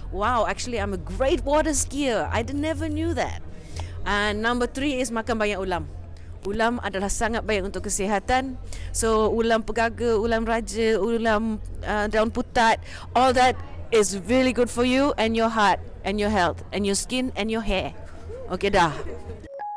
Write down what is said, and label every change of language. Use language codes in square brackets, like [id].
[en] Wow, actually I'm a great water skier, I never knew that. And number three is [ms] makan banyak ulam. Ulam adalah sangat baik untuk kesihatan. [en] So ulam pegaga, ulam raja, ulam daun putat, all that is really good for you and your heart and your health and your skin and your hair. Okay, dah.